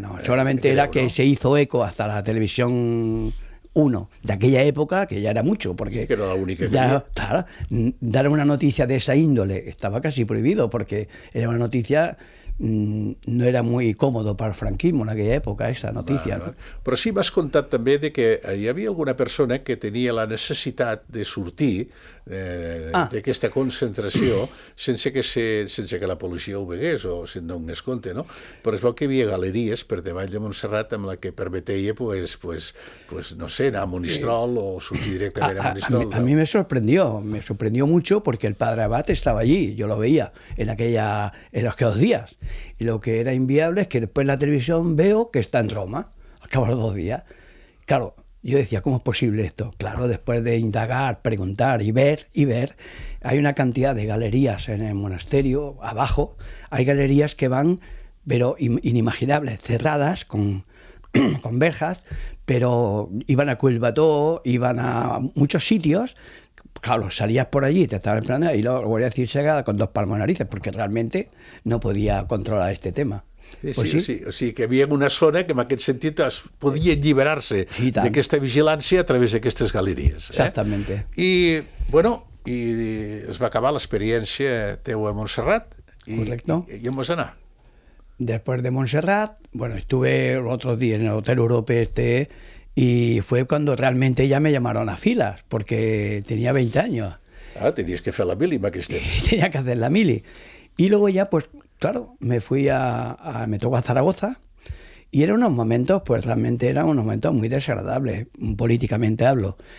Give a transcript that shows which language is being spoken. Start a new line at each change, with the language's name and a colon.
Spanish: Solamente era que se hizo eco hasta la televisión 1 de aquella época, que ya era mucho, porque... Que era la única que dar una noticia de esa índole estaba casi prohibido, porque era una noticia... no era muy cómodo para el franquismo en aquella época, esa noticia.
Catalan: Va, va. Però sí, m'has contat també de que hi havia alguna persona que tenia la necessitat de sortir d'aquesta concentració sense que la policia ho vegués o se'n donés compte, no? Però es veu que hi havia galeries per davall de Montserrat amb la que permetia, pues, no sé, anar a Monistrol o sortir directament a Monistrol.
Spanish: A mi me sorprendió mucho porque el padre Abad estaba allí, yo lo veía en aquellos días. Y lo que era inviable es que después en la televisión veo que está en Roma, al cabo de 2 días. Claro, yo decía, ¿cómo es posible esto? Claro, después de indagar, preguntar y ver, hay una cantidad de galerías en el monasterio, abajo, hay galerías que van, pero inimaginables, cerradas, con verjas, pero iban a Culbató, iban a muchos sitios. Claro, salías por allí, te estaban esperando y lo voy a decir llegada con 2 palmos de narices porque realmente no podía controlar este tema. Sí, pues sí, sí.
Catalan: O sigui, que havia una zona que en aquest sentit es podia alliberar-se d'aquesta vigilància a través d'aquestes galeries.
Spanish: Exactamente.
Catalan: I, bueno, i es va acabar l'experiència teu a Montserrat. I,
Spanish: correcto.
Catalan: I on vas anar?
Spanish: Después de Montserrat, bueno, estuve otro día en el Hotel Europe este... Y fue cuando realmente ya me llamaron a filas, porque tenía 20 años. Ah, tenías que hacer la mili, Maquiste. Tenía que hacer la mili. Y luego ya, pues claro, me fui a me tocó a Zaragoza, y eran unos momentos, pues realmente eran unos momentos muy desagradables, políticamente hablo.